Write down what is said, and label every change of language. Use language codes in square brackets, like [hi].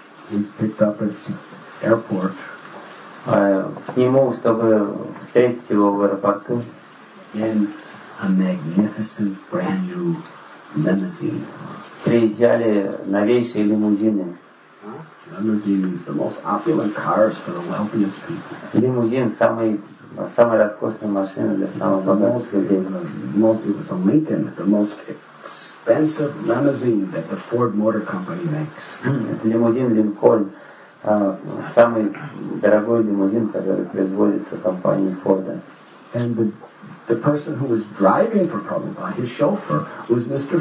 [en] he's picked up at airport. [ru] К нему, чтобы встретить его в аэропорту. [en] In a magnificent brand new limousine. [ru] Приезжали новейшие лимузины. [en] Limousine is the most opulent cars for the wealthiest people. [ru] Лимузин самая роскошная машина для самых богатых людей. [en] It was a Lincoln, the most expensive limousine that the Ford Motor Company makes. [ru] Лимузин Линкольн. Самый дорогой лимузин, который производится компанией Форда. [en] And the person who was driving for Prabhupada, his chauffeur, was Mr.